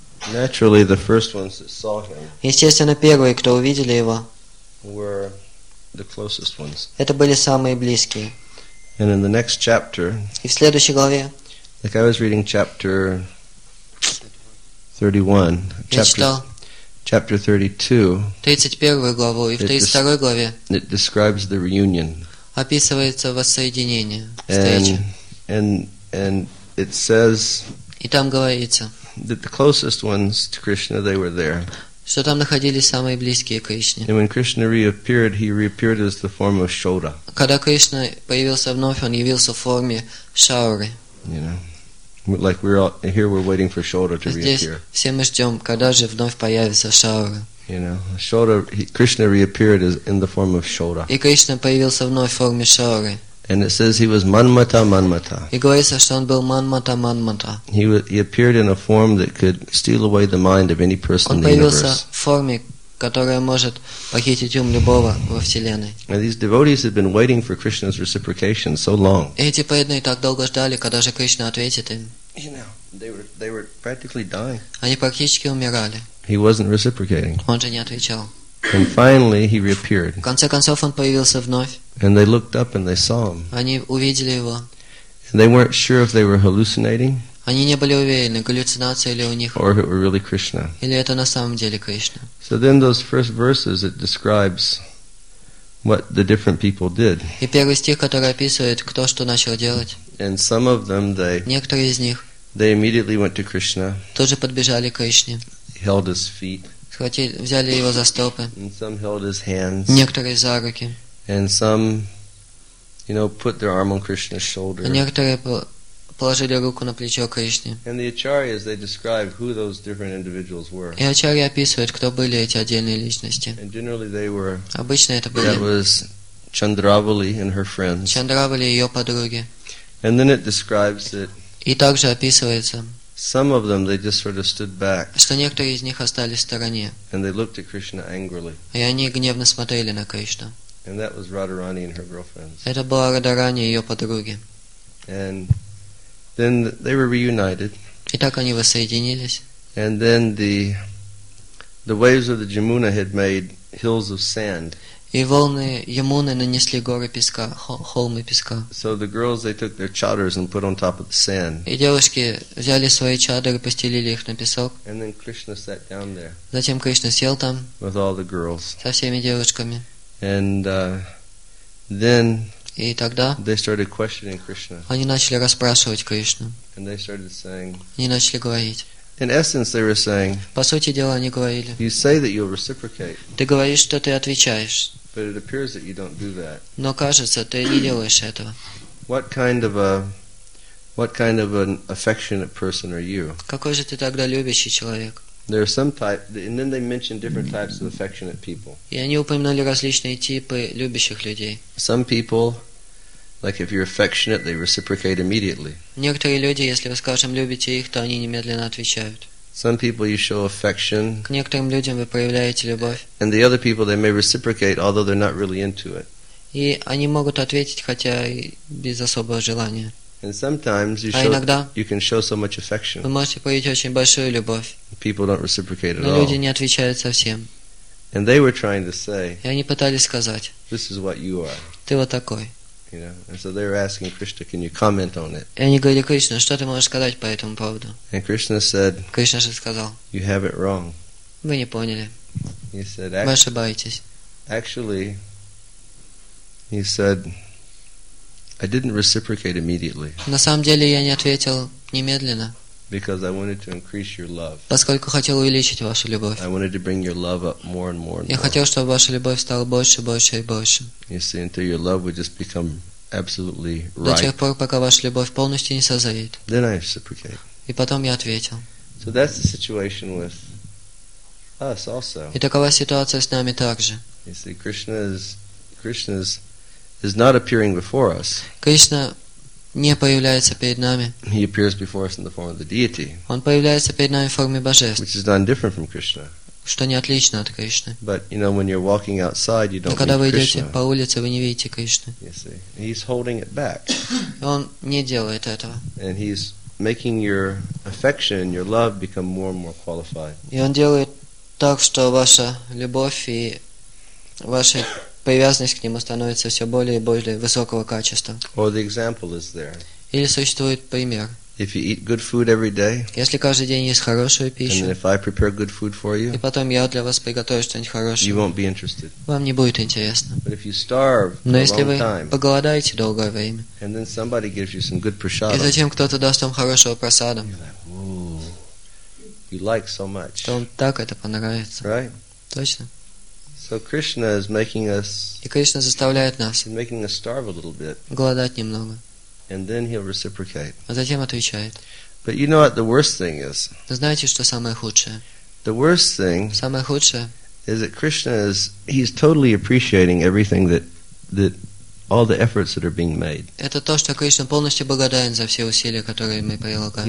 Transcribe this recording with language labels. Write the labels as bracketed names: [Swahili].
[English] naturally the first ones that saw him, [Russian] естественно первые, кто увидели его, [English] were the closest ones. [Russian] Это были самые близкие. [English] And in the next chapter, [Russian] и в следующей главе, [English] like I was reading chapter 31, chapter [Russian] 32, 31 главу, [English] it describes the reunion. [Russian] Описывается воссоединение, [English] and it says, [Russian] и там говорится, [English] that the closest ones to Krishna, they were there. [Russian] Что там находились самые близкие к Кришне. [English] And when Krishna reappeared, he reappeared as the form of Shoda. [Russian] Когда Кришна появился вновь, он явился в форме Шауры. [English] You know. Like we're all here, we're waiting for Shoda to reappear. [Russian] Все мы ждем, когда же вновь появится Шаура. [English] You know, Shoda, Krishna reappeared as in the form of Shoda. [Russian] И Кришна появился вновь в форме Шауры. [English] And it says he was Manmata Manmata. [Russian] И говорится, что он был Манмата Манмата. [English] He appeared in a form that could steal away the mind of any person in the universe. [Russian] Он появился в форме, которая может похитить ум любого во вселенной. [English] And these devotees had been waiting for Krishna's reciprocation so long. [Russian] Эти преданные так долго ждали, когда же Кришна ответит им. [English] You know, they were practically dying. [Russian] Они практически умирали. [English] He wasn't reciprocating. [Russian] Он же не отвечал. [English] And finally he reappeared. [Russian] В конце концов он появился вновь. [English] And they looked up and they saw him. [Russian] Они увидели его. [English] And they weren't sure if they were hallucinating. [Russian] Они не были уверены, галлюцинация ли у них. [English] Or it were really Krishna. [Russian] Или это на самом деле Кришна. [English] So then those first verses, it describes what the different people did. [Russian] И первый стих, который описывает, кто что начал делать. [English] And some of them, [Russian] некоторые из них, [English] they immediately went to Krishna. [Russian] Тоже подбежали к Кришне. [English] Held his feet. [Russian] Взяли его за стопы. [English] And some held his hands. [Russian] Некоторые за руки. [English] And some, you know, put their arm on Krishna's shoulder. [Russian] Некоторые положили руку на плечо Кришне. [English] And the acharyas, they describe who those different individuals were. [Russian] И ачарьи описывают, кто были эти отдельные личности. [English] And generally they were. [Russian] Обычно это были. [English] That was Chandravali and her friends. [Russian] Chandravali и ее подруги. [English] And then it describes that. [Russian] И также описывается. [English] Some of them, they just sort of stood back. [Russian] Что некоторые из них остались в стороне. [English] And they looked at Krishna angrily. [Russian] И они гневно смотрели на Кришну. [English] And that was Radharani and her girlfriends. [Russian] Это была Радхарани и ее подруги. [English] And then they were reunited. [Russian] И так они воссоединились. [English] And then the waves of the Jamuna had made hills of sand. [Russian] И волны Ямуны нанесли горы песка, холмы песка. [English] So the girls, they took their chadars and put on top of the sand. [Russian] И девушки взяли свои чадры и постелили их на песок. [English] And then Krishna sat down there. [Russian] Затем Кришна сел там. [English] With all the girls. [Russian] Со всеми девушками. [English] And then [Russian] и тогда [English] they started questioning Krishna. [Russian] Они начали расспрашивать Кришну. [English] And they started saying. [Russian] Они начали говорить. [English] In essence, they were saying. [Russian] По сути дела, они говорили. [English] You say that you'll reciprocate. [Russian] Ты говоришь, что ты отвечаешь. [English] But it appears that you don't do that. [Russian] Но кажется, ты не делаешь этого. [English] What kind of an affectionate person are you? [Russian] Какой же ты тогда любящий человек? [English] There are some type, and then they mentioned different types of affectionate people. [Russian] И они упомянули различные типы любящих людей. [English] Some people. Like if you're affectionate, they reciprocate immediately. [Russian] Некоторые люди, если вы, скажем, любите их, то они немедленно отвечают. [English] Some people you show affection. [Russian] К некоторым людям вы проявляете любовь. [English] And the other people they may reciprocate, although they're not really into it. [Russian] И они могут ответить, хотя и без особого желания. [English] And sometimes you can show so much affection. [Russian] Вы можете проявить очень большую любовь. [English] People don't reciprocate at all. [Russian] Но люди не отвечают совсем. [English] And they were trying to say. [Russian] И они пытались сказать. [English] This is what you are. [Russian] Ты вот такой. [English] You know, and so they were asking Krishna, "Can you comment on it?" [Russian] И они говорили Кришне, что ты можешь сказать по этому поводу? [English] And Krishna said, [Russian] Кришна же сказал, [English] "You have it wrong." [Russian] Вы не поняли. [English] He said, [Russian] "Вы ошибаетесь." [English] Actually, he said, "I didn't reciprocate immediately." [Russian] На самом деле я не ответил немедленно. [English] Because I wanted to increase your love. [Russian] Поскольку хотел увеличить вашу любовь. [English] I wanted to bring your love up more and more. [Russian] Я хотел, чтобы ваша любовь стала больше, больше и больше. [English] You see, until your love would just become absolutely right. [Russian] До тех пор, пока ваша любовь полностью не созреет. [English] Then I reciprocate. [Russian] И потом я ответил. [English] So that's the situation with us also. [Russian] И такова ситуация с нами также. [English] You see, Krishna is not appearing before us. [Russian] Кришна не появляется перед нами. [English] He appears before us in the form of the deity. [Russian] Он появляется перед нами в форме божеств. [English] Which is none different from Krishna. [Russian] Что не отлично от Кришны. [English] But you know, when you're walking outside, you don't Krishna. [Russian] Но когда вы идете по улице, вы не видите Кришну. [English] You see, he's holding it back. [Russian] Он не делает этого. [English] And he's making your affection, your love become more and more qualified. [Russian] И он делает так, что ваша любовь и ваши привязанность к нему становится все более и более высокого качества. [English] Or the example is there. [Russian] Или существует пример. [English] If you eat good food every day, [Russian] если каждый день есть хорошую пищу, [English] and if I prepare good food for you, [Russian] и потом я для вас приготовлю что-нибудь хорошее, [English] you won't be interested. [Russian] Вам не будет интересно. [English] But if you starve [Russian] Но если вы [English] a long time, [Russian] поголодаете долгое время, [English] and then somebody gives you some good prasadam, [Russian] и затем кто-то даст вам хорошего просада, [English] you like so much. [Russian] То вам так это понравится. [English] Right? [Russian] Точно. [English] So Krishna is making us. [Russian] И Кришна заставляет нас. [English] He's making us starve a little bit. [Russian] Голодать немного. [English] And then he'll reciprocate. [Russian] А затем отвечает. [English] But you know what the worst thing is? [Russian] Знаете, что самое худшее? [English] The worst thing. [Russian] Самое худшее. [English] Is that Krishna is he's totally appreciating everything that all the efforts that are being made. [Russian] Это то, что Кришна полностью благодарен за все усилия, которые мы прилагаем.